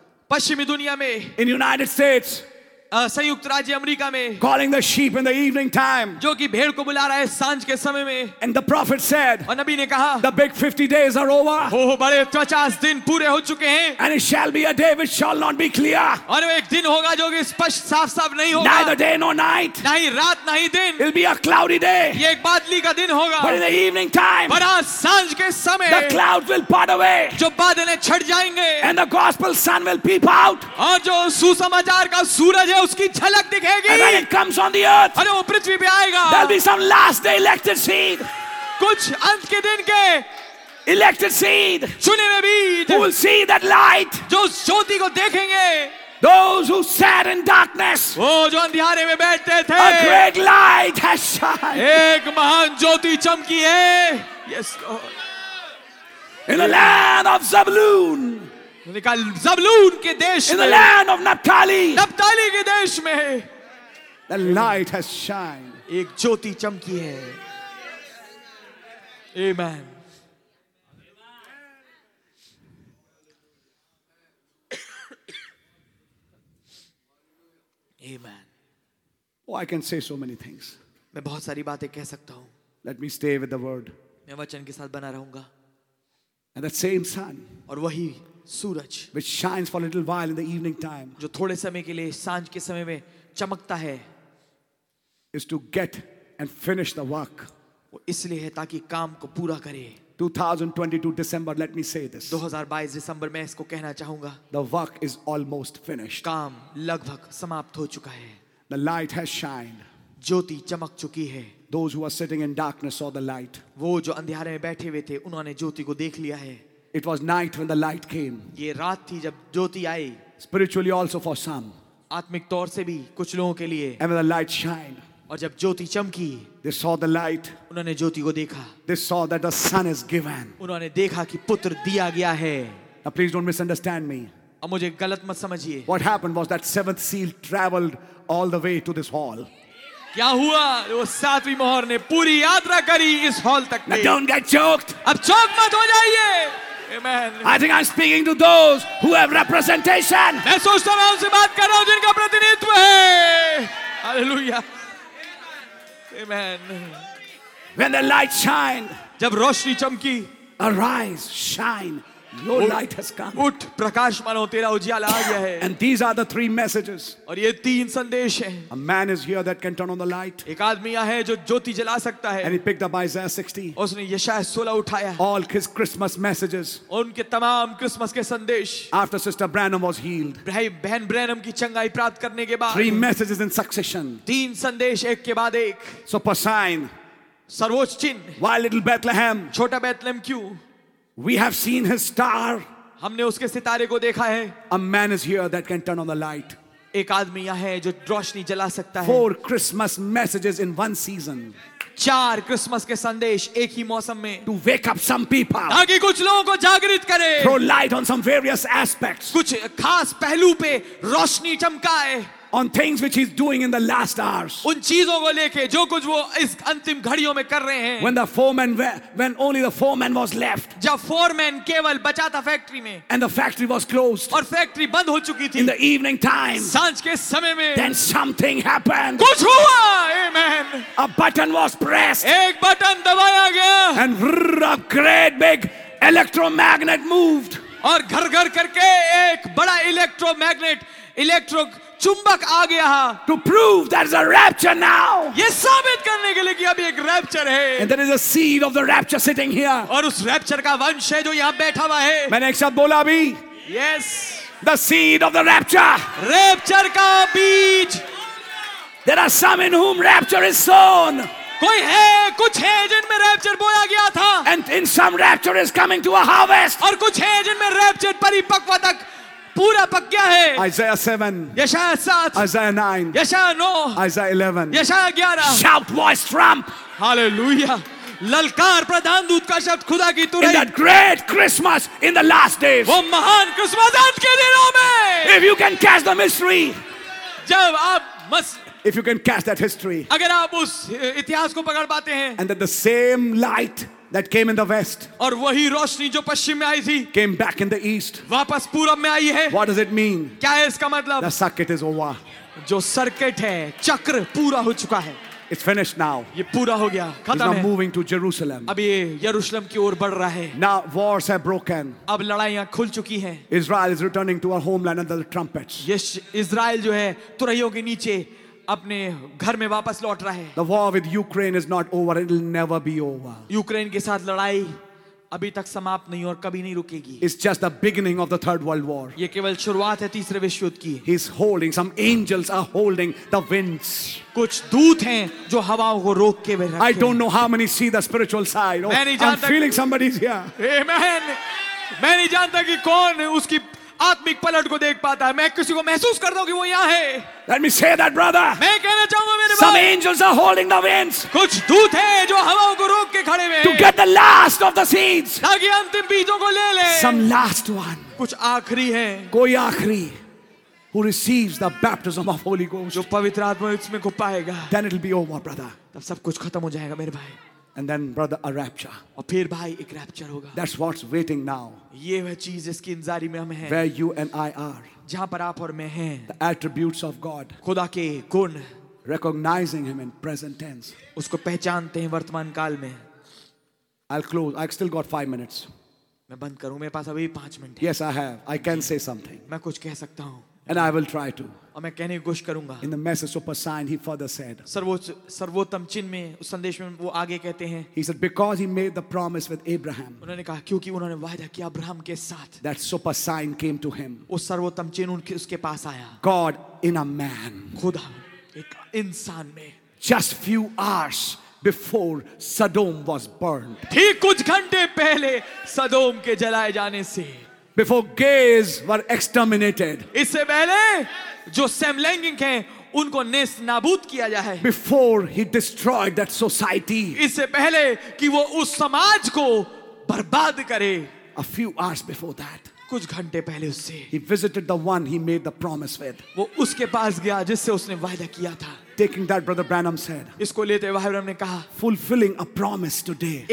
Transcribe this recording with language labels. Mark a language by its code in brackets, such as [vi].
[hi] पश्चिमी दुनिया में [en] in United States [hi] संयुक्त राज्य अमेरिका में [en] calling the sheep in the evening time [hi] जो कि भेड़ को बुला रहा है सांझ के समय में [en] and the prophet said [hi] और नबी ने कहा [en] the big 50 days are over [hi] ओ बड़े 50 दिन पूरे हो चुके हैं [en] and it shall be a day which shall not be clear [hi] और एक दिन होगा जो कि स्पष्ट साफ साफ नहीं होगा [en] neither day nor night [hi] नहीं रात नहीं दिन [en] it'll be a cloudy day [hi] ये एक बादली का दिन होगा [en] but in the evening time [hi] पर सांझ के समय [en] the clouds will part away [hi] जो बादल छट जाएंगे [en] and the gospel sun will peep out [hi] और जो सुसमाचार का सूरज उसकी झलक दिखेगी [en] and when it comes on the earth [hi] अरे वो पृथ्वी पे आएगा [en] there'll be some last day elected seed [hi] कुछ अंत के दिन के [en] elected seed [hi] चुने हुए बीज [en] who will see that light [hi] जो ज्योति को देखेंगे [en] those who sat in darkness [hi] वो जो अंधियारे में बैठते थे [en] a great light has shined [hi] एक महान ज्योति चमकी है [en] yes lord in the land of zebulun [hi] जबलून के देश [en] In the land of Naphtali, [hi] नप्ताली के देश में [en] The light has shined. [hi] एक ज्योति चमकी है [en] Amen. Amen. Oh, I can say so many things. [hi] मैं बहुत सारी बातें कह सकता हूं [en] Let me stay with the word. [hi] मैं वचन के साथ बना रहूंगा [en] And that same sun. [hi] और वही सूरज [en] which shines for a little while in the evening time [hi] जो थोड़े समय के लिए सांझ के समय में चमकता है [en] is to get and finish the work [hi] वो इसलिए है ताकि काम को पूरा करे [en] 2022 december let me say this [hi] 2022 दिसंबर मैं इसको कहना चाहूंगा [en] the work is almost finished [hi] काम लगभग समाप्त हो चुका है [en] the light has shined [hi] ज्योति चमक चुकी है [en] those who are sitting in darkness saw the light [hi] वो जो अंधियारे में बैठे हुए थे उन्होंने ज्योति को देख लिया है [en] It was night when the light came. [hi] ये रात थी जब ज्योति आई. [en] Spiritually also for some. [hi] आत्मिक तौर से भी कुछ लोगों के लिए. [en] And when the light shined. [hi] और जब ज्योति चमकी. [en] They saw the light. [hi] उन्होंने ज्योति को देखा. [en] They saw that the son is given. [hi] उन्होंने देखा कि पुत्र दिया गया है. [en] Now please don't misunderstand me. [hi] अब मुझे गलत मत समझिए. [en] What happened was that seventh seal traveled all the way to this hall. [hi] क्या हुआ वो सातवीं मोहर ने पूरी यात्रा करी इस हॉल तक. [en] Now don't get choked. [hi] अब चौंक मत हो जाइए. [en] Amen. I think I'm speaking to those who have representation. [hi] मैं सोचता हूँ उनसे बात कर रहा हूँ जिनका प्रतिनिधित्व है. [en] Hallelujah. Amen. When the light shined, [hi] जब रोशनी चमकी, [en] arise, shine, your light has come. [hi] उठ प्रकाशमानो तेरा उजियाला आ गया है. [en] And these are the three messages. [hi] और ये तीन संदेश हैं. [en] A man is here that can turn on the light. [hi] एक आदमी यहाँ है जो ज्योति जला सकता है. [en] And he picked up Isaiah 60. [hi] उसने यशायाह 16 उठाया. [en] All his Christmas messages. [hi] उनके तमाम क्रिसमस के संदेश. [en] After Sister Branham was healed. [hi] भाई बहन ब्रैनम की चंगाई प्राप्त करने के बाद. [en] Three messages in succession. [hi] तीन संदेश एक के बाद एक. [en] Super sign. [hi] सर्वोच्च चिन्ह. [en] Why little Bethlehem? [hi] छोटा बेतलहम क्यों? [en] We have seen his star. [hi] हमने उसके सितारे को देखा है. [en] A man is here that can turn on the light. [hi] एक आदमी यहाँ है जो रोशनी जला सकता है. [en] Four Christmas messages in one season. [hi] चार क्रिसमस के संदेश एक ही मौसम में. [en] To wake up some people. [hi] ताकि कुछ लोगों को जागृत करे. [en] Throw light on some various aspects. [hi] कुछ खास पहलू पे रोशनी चमकाए. [en] on things which he's doing in the last hours. [hi] उन चीजों को लेके जो कुछ वो इस अंतिम घड़ियों में कर रहे हैं. [en] When the foreman, when only the foreman was left. [hi] जब foreman केवल बचा था factory में. [en] And the factory was closed. [hi] और factory बंद हो चुकी थी. [en] In the evening time. [hi] सांझ के समय में. [en] Then something happened. [hi] कुछ हुआ. [en] Amen. A button was pressed. [hi] एक button दबाया गया. [en] And a great big electromagnet moved. [hi] और घर घर करके एक बड़ा इलेक्ट्रोमैग्नेट इलेक्ट्रो चुंबक आ गया [en] to prove that is a rapture now. [hi] ये साबित करने के लिए कि अभी एक रैप्चर है. [en] And there is a seed of the rapture sitting here. [hi] और उस रैप्चर का वंश है जो यहाँ बैठा हुआ है. मैंने एक शब्द बोला अभी. [en] Yes. The seed of the rapture. [hi] Rapture का बीज. [en] There are some in whom rapture is sown. [hi] कोई है कुछ है जिनमें रैप्चर बोया गया था. [en] And in some rapture is coming to a harvest. [hi] और कुछ है जिनमें रैप्चर परिपक्व तक पूरा पक गया है. [en] Isaiah 7. [hi] यशायाह 7. [en] Isaiah 9. [hi] यशायाह 9. [en] Isaiah 11. [hi] यशायाह 11. [en] Shout voice trump. Hallelujah. [hi] ललकार प्रधान दूत का शब्द खुदा की तुरही. [en] In that great Christmas in the last days. [hi] वो महान क्रिसमस आज के दिनों में. [en] If you can catch the mystery. [hi] जब आप मस [en] If you can catch that history, [hi] अगर आप उस इतिहास को पकड़ पाते हैं, [en] and that the same light that came in the west, [hi] और वही रोशनी जो पश्चिम में आई थी, [en] came back in the east, [hi] वापस पूरब में आई है, [en] what does it mean? [hi] क्या है इसका मतलब? [en] The circuit is over. [hi] जो सर्किट है, चक्र पूरा हो चुका है. [en] It's finished now. [hi] ये पूरा हो गया. [en] It's now moving to Jerusalem. [hi] अब ये यरूशलेम की ओर बढ़ रहा है. [en] Now wars have broken. [hi] अब लड़ाइयाँ खुल चुकी हैं. [en] Israel is returning to our homeland under the trumpets. [hi] Yash Israel जो है तुरहियों के नीचे अपने घर में वापस लौट रहा है. [en] The war with Ukraine is not over. It will never be over. [hi] Ukraine के साथ लड़ाई अभी तक समाप्त नहीं और कभी नहीं रुकेगी. [en] It's just the beginning of the third world war. [hi] ये केवल शुरुआत है तीसरे विश्व युद्ध की. [en] He's holding. Some angels are holding the winds. [hi] कुछ दूत हैं जो हवाओं को रोक के बैठे हैं. [en] I don't know how many see the spiritual side. [hi] मैं नहीं जानता. [en] I'm feeling somebody's here. Amen. [hi] मैं नहीं जानता कि कौन उसकी आत्मिक पलट को देख पाता है. मैं किसी को महसूस करता हूं कि वो यहां है. [en] Let me say that, brother. [hi] मैं कहना चाहूंगा मेरे भाई. [en] Some angels are holding the winds. [hi] कुछ दूत हैं जो हवाओं को रोक के खड़े हैं. [en] To get the last of the seeds. [hi] ताकि अंतिम बीजों को ले ले. [en] Some last one. [hi] कुछ आखिरी हैं. कोई आखिरी. [en] Who receives the baptism of Holy Ghost. [hi] जो पवित्र आत्मा इसमें को पाएगा. [en] Then it'll be over, brother. [hi] तब सब कुछ खत्म हो जाएगा मेरे भाई. [en] And then, brother, a rapture. [hi] और फिर भाई एक रैप्चर होगा. [en] That's what's waiting now. [hi] ये वह चीज़ जिसकी इंतज़ारी में हम हैं. [en] Where you and I are. [hi] जहाँ पर आप और मैं हैं. [en] The attributes of God. [hi] खुदा के गुण. [en] Recognizing Him in present tense. [hi] उसको पहचानते हैं वर्तमान काल में. [en] I'll close. I've still got 5 minutes. [hi] मैं बंद करूँ. मेरे पास अभी 5 minute. [en] Yes, I have. I can say something. [hi] मैं कुछ कह सकता हूँ. [en] And I will try to. [hi] और मैं कहने की कोशिश करूंगा. [en] In the message super sign, he further said. [hi] सर्वोत्तम चिन्ह में उस संदेश में वो आगे कहते हैं. [en] He said because he made the promise with Abraham. [hi] उन्होंने कहा क्योंकि उन्होंने वादा किया अब्राहम के साथ. [en] That super sign came to him. [hi] उस सर्वोत्तम चिन्ह उनके उसके पास आया. [en] God in a man. [hi] खुदा एक इंसान में. [en] Just few hours before Sodom was burned. [hi] ठीक कुछ घंटे पहले सदोम के जलाए जाने से. [en] Before gays were exterminated. [hi] इससे पहले जो समलैंगिक हैं उनको नेस्त नाबूद किया जाए. [en] Before he destroyed that society. [hi] इससे पहले कि वो उस समाज को बर्बाद करे. [en] A few hours before that. [hi] कुछ घंटे पहले उससे. [en] He visited the one he made the promise with. [hi] वो उसके पास गया जिससे उसने वादा किया था. [en] Taking that, Brother Branham said. [hi] इसको लेते हुए भाई ब्रह्म ने कहा. [en] Fulfilling a promise today.